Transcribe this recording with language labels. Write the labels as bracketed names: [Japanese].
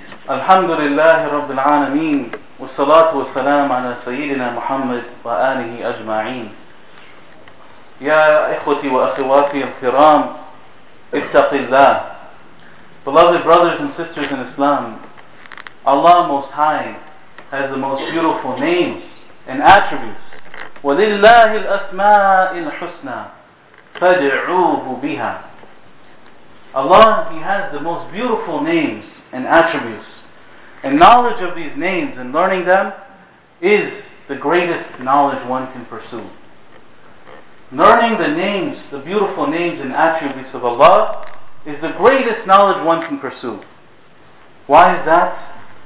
[Arabic] الحمد لله رب العالمين والصلاة والسلام على سيدنا محمد وآله أجمعين. يا إخوتي وأخواتي الكرام اتق الله. [English] Beloved brothers and sisters in Islam, Allah Most High has the most beautiful names and attributes. [Arabic] ولله الأسماء الحسنى فادعوه بها. [English] Allah, He has the most beautiful names and attributes. And knowledge of these names and learning them is the greatest knowledge one can pursue. Learning the names, the beautiful names and attributes of Allah is the greatest knowledge one can pursue. Why is that?